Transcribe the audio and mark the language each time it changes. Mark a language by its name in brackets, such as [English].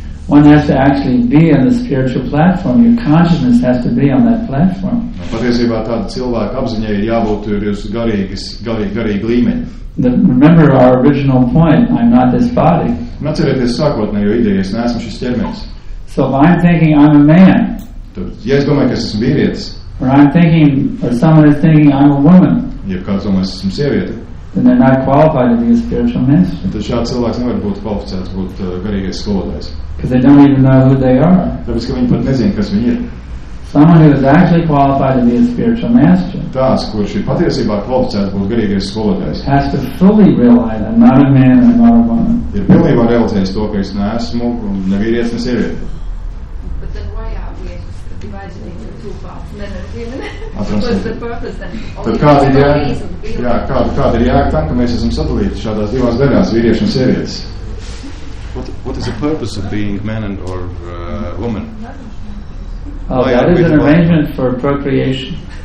[English] One has to actually be on the spiritual platform. Your consciousness has to be on that platform. [Latvian] Patiesībā tāda cilvēka apziņa ir jābūt ir jūsu garīga līmeņa. [English] Remember our original point, I'm not this body. [Latvian] Atcerieties sākotnējo ideju, es neesmu šis ķermenis. [English] So if I'm thinking I'm a man, [Latvian] ja es domāju, ka es esmu vīrietis, [English] or I'm thinking, or someone is thinking I'm a woman, [Latvian] ja kāds domā, es esmu sievieti, [English] then they're not qualified to be a spiritual minister. [Latvian] Tad šāds cilvēks nevar būt kvalificēts būt garīgais skolotājs. [English] Because they don't even know who they are. [Latvian] Tāpēc, ka viņi pat nezin, kas viņi ir. [English] Someone who is actually qualified to be a spiritual master. [Latvian] Tās, kurš ir patiesībā kvalificēts būt garīgais skolotājs. [English] Has to fully realize I'm not a man and not a woman. [Latvian] Ir pilnībā realizējis to, ka es neesmu un ne vīrietis, ne sievieti. [English] But then why are we divided into two parts? Men and women. What's the purpose then? [Latvian] Kāda ir jēga? Kāda ir jēga tam, ka mēs esam sadalīti šādās divās daļās, vīrieši un sievietes? [English] What is the purpose of being man and or woman? Oh, that is an arrangement for procreation.